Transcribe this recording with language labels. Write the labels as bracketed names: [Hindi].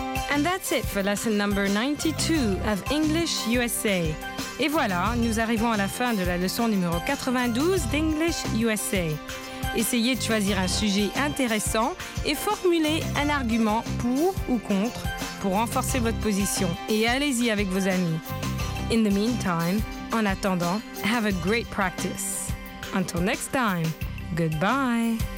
[English] And that's it for lesson number 92 of English USA. [French] Et voilà, nous arrivons à la fin de la leçon numéro 92 d'English USA. Essayez de choisir un sujet intéressant et formulez un argument pour ou contre pour renforcer votre position. Et allez-y avec vos amis. [English] In the meantime, [French] en attendant, [English] have a great practice. Until next time, goodbye.